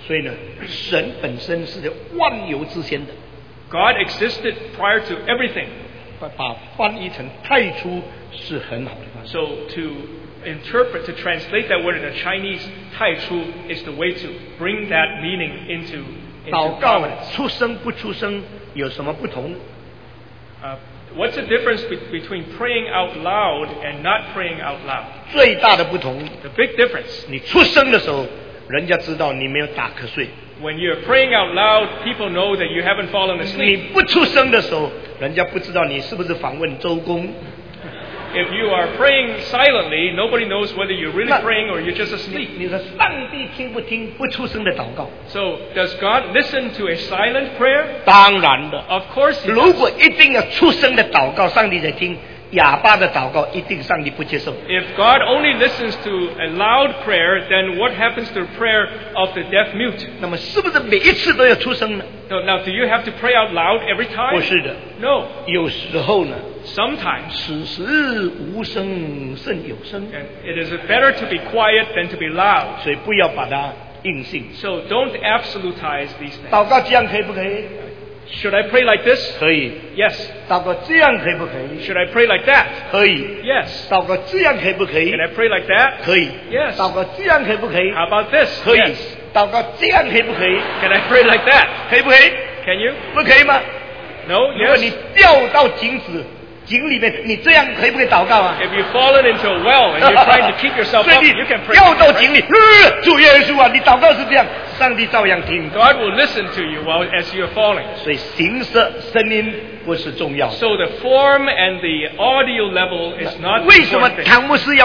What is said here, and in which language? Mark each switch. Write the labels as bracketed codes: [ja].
[zh] 所以这个两个起，一个起初，一个太初是两回事。所以呢，神本身是万有之先的。 [en] God existed prior to everything. [zh] 把翻译成太初是很好的翻译。 [en] So to interpret, to translate that word in the Chinese, 太初 is the way to bring that meaning into. [zh] 祷告出声不出声有什么不同? [en] What's the difference between praying out loud and not praying out loud? [zh] 最大的不同, [en] the big difference. [zh] 你出声的时候, 人家知道你没有打瞌睡。 [en] When you're praying out loud, people know that you haven't fallen asleep. [zh] 你不出声的时候, 人家不知道你是不是访问周公。 [en] If you are praying silently, nobody knows whether you're really praying or you're just asleep. [zh] 你说上帝听不听不出声的祷告? [en] So, does God listen to a silent prayer? [zh] 当然的, [en] of course. [zh] 如果一定要出声的祷告, 上帝在听, 哑巴的祷告, [en] if God only listens to a loud prayer, then what happens to the prayer of the deaf mute? [zh] 那么是不是每一次都要出声呢? [en] So, now, do you have to pray out loud every time? [zh] 不是的, [en] no. [zh] 有时候呢, [en] sometimes, [zh] 此时无声胜有声, [en] and it is better to be quiet than to be loud. [zh] 所以不要把它硬性, [en] so don't absolutize these things. [zh] 祷告这样可以不可以? [en] Should I pray like this? [zh] 可以, [en] yes. [zh] 祷告这样可以不可以? [en] Should I pray like that? [zh] 可以, [en] yes. [zh] 祷告这样可以不可以? [en] Can I pray like that? [zh] 可以, [en] yes. [zh] 祷告这样可以不可以? [en] How about this? [zh] 可以, [en] yes. [zh] 祷告这样可以不可以? [en] Can I pray like that? [zh] 可以不可以? [en] Can you? [zh] 不可以吗? [en] No, yes. [zh] 如果你掉到井子, 井里面, 你这样可以不可以祷告啊? [en] If you've fallen into a well and you're trying to keep yourself up, you can pray. [zh] 掉到井里, 主耶稣啊, 你祷告是这样, 上帝照样听, [en] God will listen to you while as you're falling. [zh] 所以形式声音不是重要的, [en] so the form and the audio level is not important.